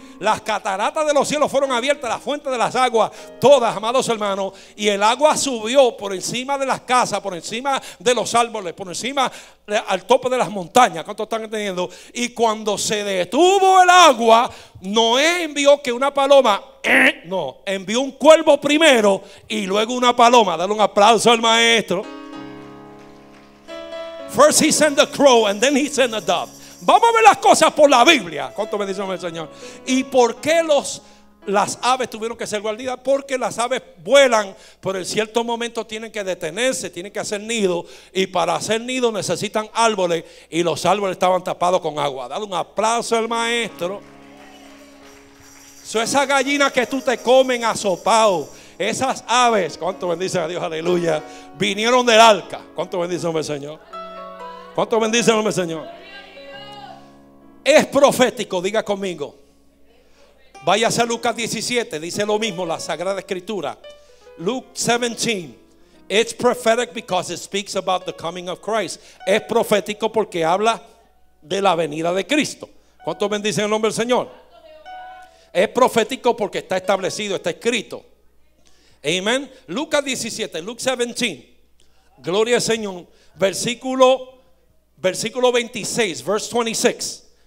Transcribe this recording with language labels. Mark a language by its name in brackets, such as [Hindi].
[Spanish] Las cataratas de los cielos fueron abiertas, las fuentes de las aguas, todas, amados hermanos, y el agua subió por encima de las casas, por encima de los árboles, por encima al tope de las montañas. ¿Cuántos están entendiendo? Y cuando se detuvo el agua, Noé envió que una paloma, envió un cuervo primero y luego una paloma. Dale un aplauso al maestro. [English] First he sent a crow and then he sent a dove. [Spanish] Vamos a ver las cosas por la Biblia. ¿Cuánto bendición el Señor? ¿Y por qué las aves tuvieron que ser guardadas? Porque las aves vuelan, pero en cierto momento tienen que detenerse, tienen que hacer nido. Y para hacer nido necesitan árboles. Y los árboles estaban tapados con agua. Dale un aplauso al maestro. So, esa gallina que tú te comen asopado, esas aves, ¿cuánto bendición a Dios? Aleluya. Vinieron del arca. ¿Cuánto bendición el Señor? ¿Cuánto bendición el Señor? Es profético, diga conmigo. Váyase a Lucas 17, dice lo mismo la Sagrada Escritura. [English] Luke 17. It's prophetic because it speaks about the coming of Christ. [Spanish] Es profético porque habla de la venida de Cristo. ¿Cuántos bendicen el nombre del Señor? Es profético porque está establecido, está escrito. Amen. Lucas 17, Luke 17. Gloria al Señor. Versículo 26, [English] verse 26.